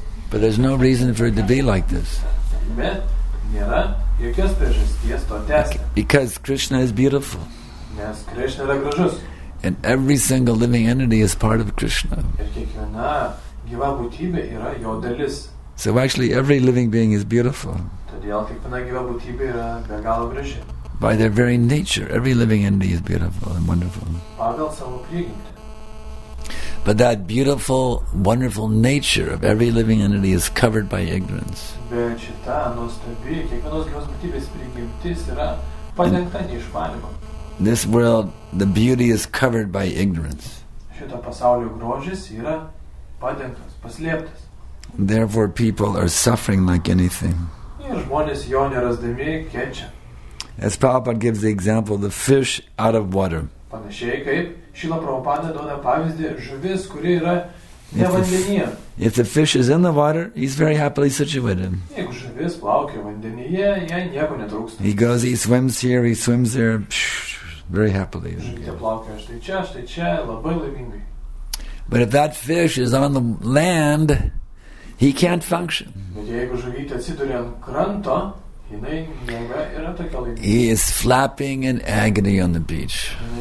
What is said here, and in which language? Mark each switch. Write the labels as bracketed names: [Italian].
[English] But there's no reason for it to be like this. [Lithuanian] Bet nėra jokios priežasties to tęsti. [English] Because Krishna is beautiful. [Lithuanian] Nes Krishna yra gražus. [English] And every single living entity is part of Krishna. [Lithuanian] Ir kiekviena gyva būtybė yra jo dalis. [English] So actually every living being is beautiful. [Lithuanian] Todėl kiekviena gyva būtybė yra be galo graži. [English] By their very nature, every living entity is beautiful and wonderful. [Lithuanian] Pagal savo prigimtį. [English] But that beautiful, wonderful nature of every living entity is covered by ignorance. [Lithuanian] Bet šita nuostabi, kiekvienos gyvos būtybės prigimtis yra padengta neišmanimu. [English] This world, the beauty is covered by ignorance. [Lithuanian] Šito pasaulio grožis yra padengtas, paslėptas. [English] Therefore, people are suffering like anything. [Lithuanian] Ir žmonės jo nerasdami kenčia. [English] As Prabhupada gives the example of the fish out of water. [Lithuanian] Panašiai kaip Šila Prabhupada duoda pavyzdį žuvis, kuri yra ne vandenyje. [English] If the fish is in the water, he's very happily situated. [Lithuanian] Jeigu žuvis plaukia vandenyje, jai nieko netrūksta. [English] He goes, he swims here, he swims there, very happily. [Lithuanian] Žuvis plaukia štai čia, labai laimingai. [English] But if that fish is on the land, he can't function. He is flapping in agony on the beach.